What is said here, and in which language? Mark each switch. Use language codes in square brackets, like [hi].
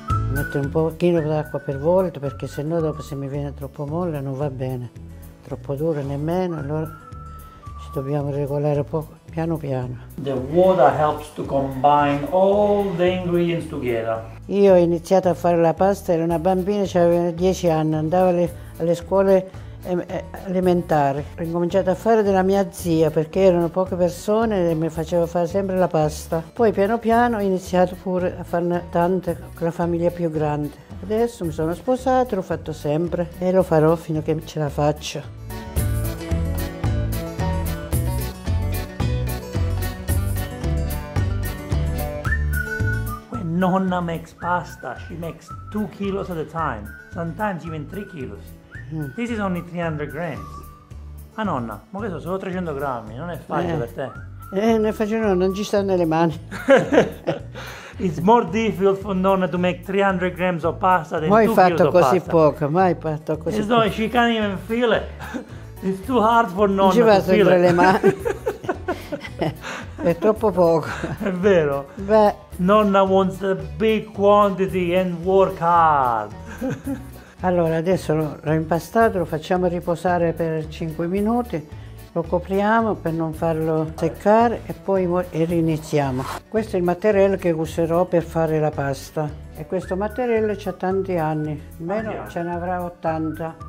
[it] Metto un pochino d'acqua per volta, perché sennò dopo se mi viene troppo molle non va bene. Troppo dura nemmeno, allora ci dobbiamo regolare poco. Piano piano. [en] The water helps to combine all the ingredients together. [it] Io ho iniziato a fare la pasta, ero una bambina, avevo 10 anni, andavo alle scuole elementari. Ho incominciato a fare della mia zia, perché erano poche persone e mi faceva fare sempre la pasta. Poi piano piano ho iniziato pure a farne tante con la famiglia più grande. Adesso mi sono sposata, l'ho fatto sempre e lo farò fino a che ce la faccio. [en] Nonna makes pasta, she makes 2 kilos at a time, sometimes even 3 kilos. This is only 300 grams. [it] Ah nonna, ma questo sono 300 grammi, non è facile per te. Non è facile, non ci sta nelle mani. [en] It's more difficult for nonna to make 300 grams of pasta than 2 kilos of pasta. [it] Mai fatto così poco. [en] She can't even feel it. It's too hard for nonna to feel it. [it] Non ci va sempre le mani. È troppo poco. È vero. Beh, [en] nonna wants a big quantity and work hard. [it] Allora, adesso l'ho impastato, lo facciamo riposare per 5 minuti, lo copriamo per non farlo seccare e poi riniziamo. Questo è il materiale che userò per fare la pasta. E questo materiale c'ha tanti anni, almeno ce ne avrà 80.